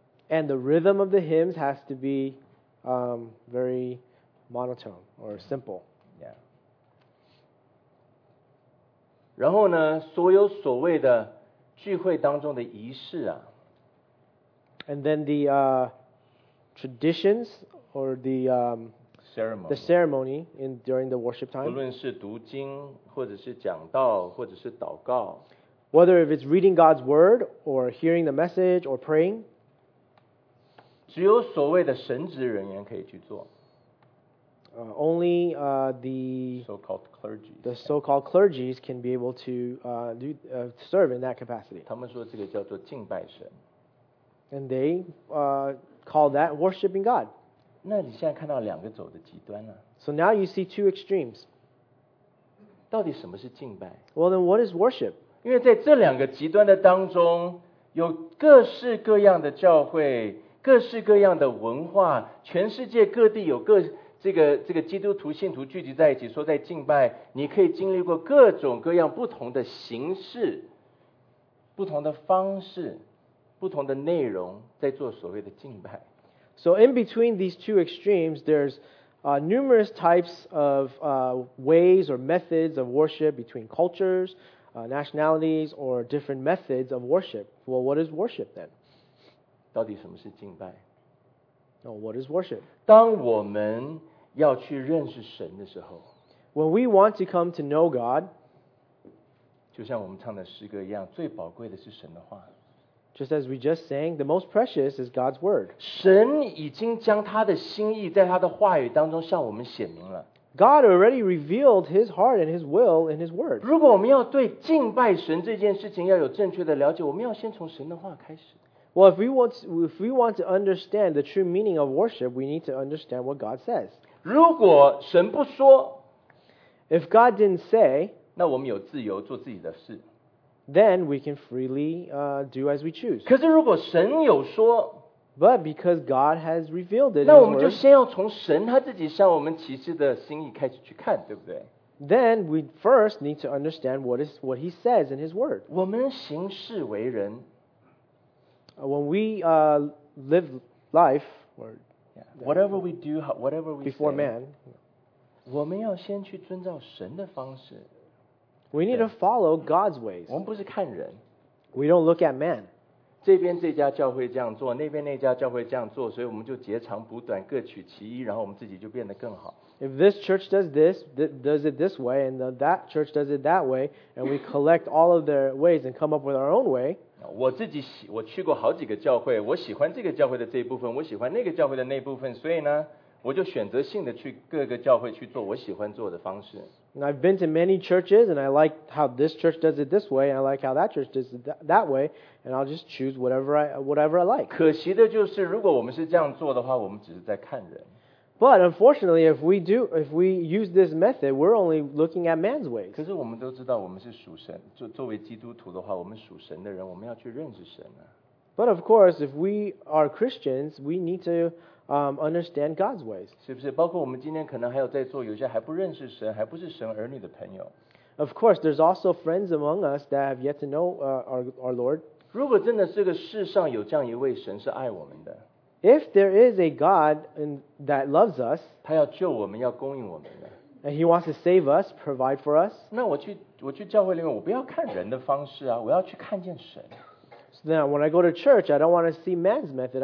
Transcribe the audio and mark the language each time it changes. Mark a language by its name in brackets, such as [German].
[English] And the rhythm of the hymns has to be very monotone or simple. Yeah. [Chinese] 然后呢，所有所谓的聚会当中的仪式啊 [English] ，and then the traditions or the ceremony, the ceremony in during the worship time. [Chinese] 不论是读经，或者是讲道，或者是祷告 [English] ，whether if it's reading God's word or hearing the message or praying, [Chinese] 只有所谓的神职人员可以去做。 [English] Only the so-called clergy, the so-called clergies can be able to serve in that capacity. [Chinese] 他们说这个叫做敬拜神。 [English] And they call that worshiping God. [Chinese] 那你现在看到两个走的极端了。 [English] So now you see two extremes. [Chinese] 到底什么是敬拜？ [English] Well, then what is worship? [Chinese] 因为在这两个极端的当中，有各式各样的教会，各式各样的文化，全世界各地有各。这个基督徒信徒聚集在一起说在敬拜你可以经历过各种各样不同的形式不同的方式不同的内容在做所谓的敬拜 [English] So in between these two extremes there's numerous types of ways or methods of worship between cultures, nationalities or different methods of worship Well what is worship then? [Chinese] 到底什么是敬拜 [English] Oh, what is worship? [Chinese] 当我们要去认识神的时候 [English] When we want to come to know God [Chinese] 就像我们唱的诗歌一样最宝贵的是神的话 [English] Just as we just sang, the most precious is God's word [Chinese] 神已经将他的心意在他的话语当中向我们显明了 [English] God already revealed His heart and His will in His Word. [Chinese] 如果我们要对敬拜神这件事情要有正确的了解，我们要先从神的话开始。 [English] Well, if we want to understand the true meaning of worship, we need to understand what God says. [Chinese] 如果神不说 [English] ，If God didn't say, [Chinese] 那我们有自由做自己的事。 [English] Then we can freely do as we choose. [Chinese] 可是如果神有说 [English] ，But because God has revealed it, [Chinese] 那我们就先要从神他自己向我们启示的心意开始去看，对不对？ [English] Then we first need to understand what He says in His Word. 我们行事为人。 When we live life, or whatever we do, whatever we before say, man, [Chinese] 我们要先去遵照神的方式。 [English] We need to follow God's ways. [Chinese] 我们不是看人。 [English] We don't look at man. [Chinese] 这边这家教会这样做，那边那家教会这样做，所以我们就截长补短，各取其一，然后我们自己就变得更好。 [English] If this church does it this way, and that church does it that way, and we collect all of their ways and come up with our own way. [Chinese] 我去过好几个教会，我喜欢这个教会的这一部分，我喜欢那个教会的那一部分，所以呢，我就选择性的去各个教会去做我喜欢做的方式。 [English] And I've been to many churches, and I like how this church does it this way, and I like how that church does it that way, and I'll just choose whatever I like. [Chinese] 可惜的就是，如果我们是这样做的话，我们只是在看人。 [English] But unfortunately, if we use this method, we're only looking at man's ways. [Chinese] 可是我们都知道，我们是属神，作为基督徒的话，我们属神的人，我们要去认识神啊。 [English] But of course, if we are Christians, we need to understand God's ways. [Chinese] 是不是？包括我们今天可能还有在座，有些还不认识神，还不是神儿女的朋友。 [English] Of course, there's also friends among us that have yet to know our Lord. [Chinese] 如果真的这个世上有这样一位神是爱我们的。 [English] If there is a God that loves us, [Chinese] 他要救我们，要供应我们的。 [English] And He wants to save us, provide for us. [Chinese] 那我去教会里面，我不要看人的方式啊，我要去看见神。 [English] So now when I go to church, I don't want to see man's method.